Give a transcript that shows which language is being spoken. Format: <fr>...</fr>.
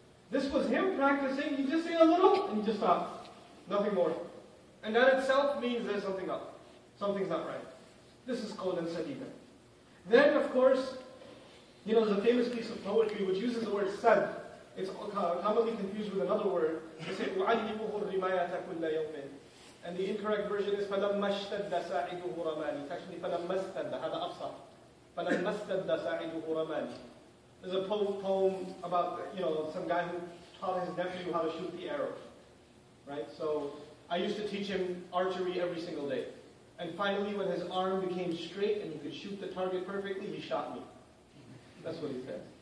<en>This was him practicing, he just say a little, and he just stopped. Nothing more. And that itself means there's something up. Something's not right. This is qawl sadida. Then, of course, you know, there's a famous piece of poetry which uses the word sad. It's commonly confused with another word. They say,</en> <ar>وَعَلِّمُهُ الرِّمَايَةَ كُلَّ يَوْمٍ.</ar> <en>And the incorrect version is,</en> <ar>فَلَمَّا اشْتَدَّ سَاعِدُهُ رَمَانِ.</ar> <en>It's actually,</en> <ar>فَلَمَّا اسْتَدَّ. هَذَا أَفْصَحْ. فَلَمَّا اسْتَدَّ سَاعِدُهُ رَمَانِ.</ar> <en>There's a poem about, you know, some guy who taught his nephew how to shoot the arrow. Right? So I used to teach him archery every single day. And finally, when his arm became straight and he could shoot the target perfectly, he shot me. That's what he says.</en>